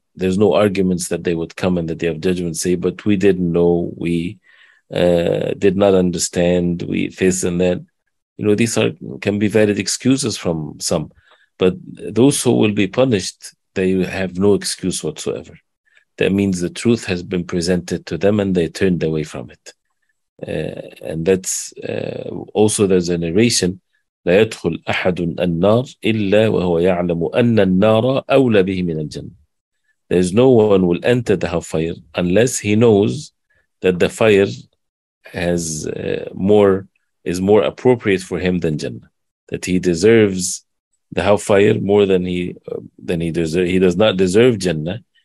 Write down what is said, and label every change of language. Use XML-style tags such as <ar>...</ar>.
<en>There's no arguments that they would come in the day of judgment and say, but we didn't know, we did not understand, we this and that. You know, these can be valid excuses from some. But those who will be punished, they have no excuse whatsoever. That means the truth has been presented to them and they turned away from it. And that's also, there's a narration,</en> <ar>لَا يَدْخُلْ أَحَدٌ النَّارِ إِلَّا وَهُوَ يَعْلَمُ أَنَّ النَّارَ أَوْلَى بِهِ مِنَ الْجَنَّةِ.</ar> <en>There's no one will enter the hellfire unless he knows that the fire has is more appropriate for him than Jannah. That he deserves the hellfire more than he does not deserve Jannah.</en>